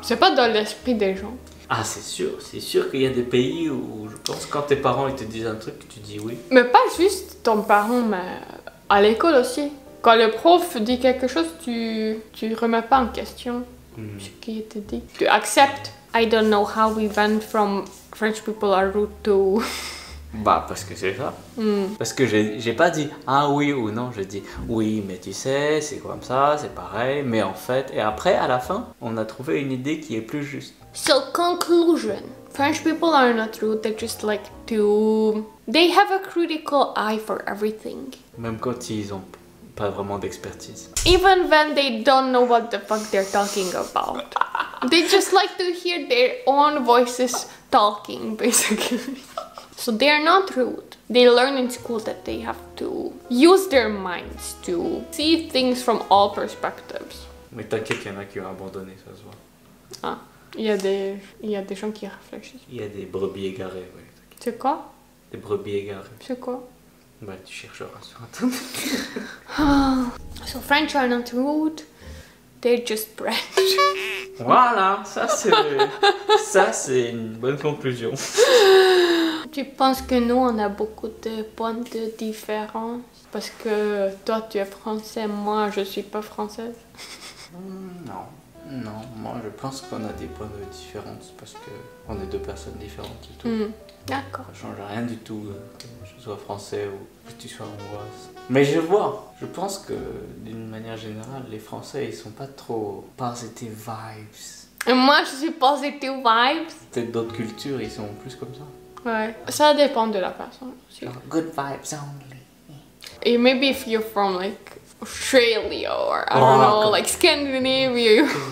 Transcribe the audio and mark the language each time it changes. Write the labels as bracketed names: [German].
[French] C'est pas dans l'esprit des gens. Ah, c'est sûr qu'il y a des pays où je pense quand tes parents ils te disent un truc, tu dis oui. Mais pas juste ton parent, mais à l'école aussi. Quand le prof dit quelque chose, tu remets pas en question ce qu'il te dit. Tu acceptes. [English] I don't know how we went from French people are rude to... [French] Bah, parce que c'est ça. Parce que j'ai pas dit ah oui ou non, j'ai dit oui, mais tu sais, c'est comme ça, c'est pareil, mais en fait. Et après, à la fin, on a trouvé une idée qui est plus juste. [English] So, conclusion. French people are not rude, they just like to. They have a critical eye for everything. [French] Même quand ils ont pas vraiment d'expertise. [English] Even when they don't know what the fuck they're talking about. They just like to hear their own voices talking, basically. So they are not rude. They learn in school that they have to use their minds to see things from all perspectives. [French] Mais t'inquiète, il y en a qui ont abandonné, ça se voit. Ah, il y a des gens qui réfléchissent. Il y a des brebis égarées, oui. C'est quoi? Des brebis égarées. C'est quoi? Bah, tu chercheras sur internet. [English] So French are not rude. They're just French. [French] Voilà, ça c'est une bonne conclusion. Tu penses que nous, on a beaucoup de points de différence? Parce que toi, tu es français, moi, je suis pas française. Non, moi, je pense qu'on a des points de différence parce qu'on est deux personnes différentes et tout. D'accord. Ça change rien du tout que je sois français ou que tu sois hongroise. Mais je vois, je pense que d'une manière générale, les Français, ils sont pas trop [English] positive vibes. [French] Et moi, je suis [English] positive vibes. [French] Peut-être d'autres cultures, ils sont plus comme ça. Ouais, ça dépend de la personne aussi. [English] Good vibes only. [French] Et [English] maybe if you're from like Australia or I don't know, like Scandinavia.